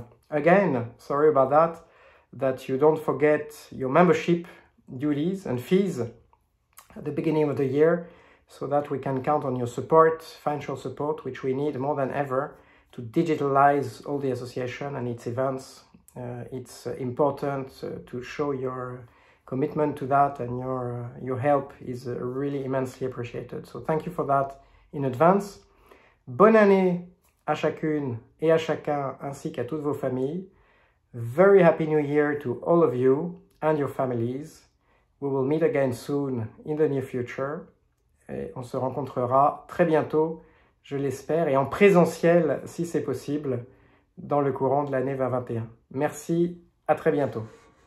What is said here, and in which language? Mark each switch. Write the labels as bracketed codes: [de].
[en] Again, sorry about that you don't forget your membership duties and fees at the beginning of the year so that we can count on your support, financial support, which we need more than ever to digitalize all the association and its events. It's important to show your commitment to that and your help is really immensely appreciated. So thank you for that in advance. [fr] Bonne année à chacune et à chacun, ainsi qu'à toutes vos familles. [en] Very happy new year to all of you and your families. We will meet again soon in the near future. [fr] Et on se rencontrera très bientôt, je l'espère, et en présentiel, si c'est possible, dans le courant de l'année 2021. Merci, à très bientôt.